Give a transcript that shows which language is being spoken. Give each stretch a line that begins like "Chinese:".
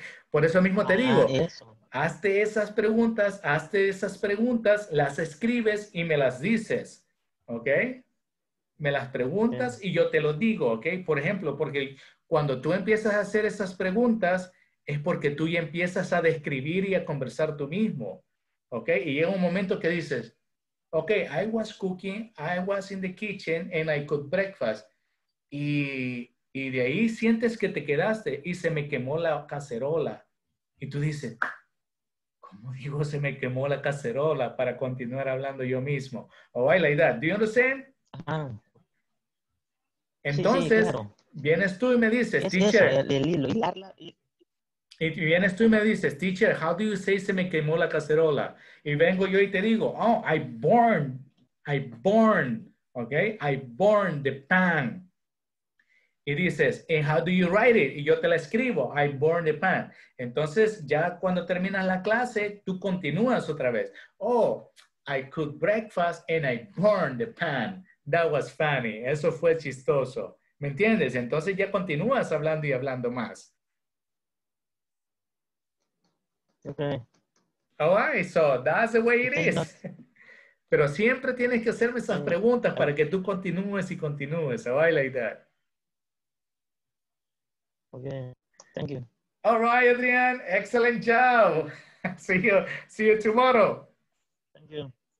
Spanish: Por eso mismo te digo, hazte esas preguntas, las escribes y me las dices, ¿ok? Me las preguntas y yo te lo digo, ¿ok? Por ejemplo, porque cuando tú empiezas a hacer esas preguntas, es porque tú ya empiezas a describir y a conversar tú mismo, ¿ok? Y llega un momento que dices,
English: ok, I was cooking, I was in the kitchen, and I cooked breakfast.
Spanish: Y de ahí sientes que te quedaste y se me quemó la cacerola. Y tú dices, ¿Cómo digo se me quemó la cacerola para continuar hablando yo mismo?
English: Oh, I like that. Do you understand? Ah.
Spanish: Entonces, sí, claro. Vienes tú y me dices, teacher. El hilo. Y vienes tú y me dices, teacher,
English: how do you say
Spanish: se me quemó la cacerola? Y vengo yo y te digo, oh,
English: I burn,
Spanish: okay? I burn the pan. Y dices, and how do you write it? Y yo te la escribo, I burn the pan. Entonces, ya cuando terminas la clase, tú continúas otra vez.
English: Oh, I cook breakfast and I burn the pan. That was funny.
Spanish: Eso fue chistoso. ¿Me entiendes? Entonces ya continúas hablando y hablando más.
English: Okay. All right, so that's the way it is.
Spanish: Pero siempre tienes que hacerme esas preguntas para que tú continúes y continúes.
English: All right, like that. Okay, thank you. All right, Adrián. Excellent job. See you tomorrow. Thank you.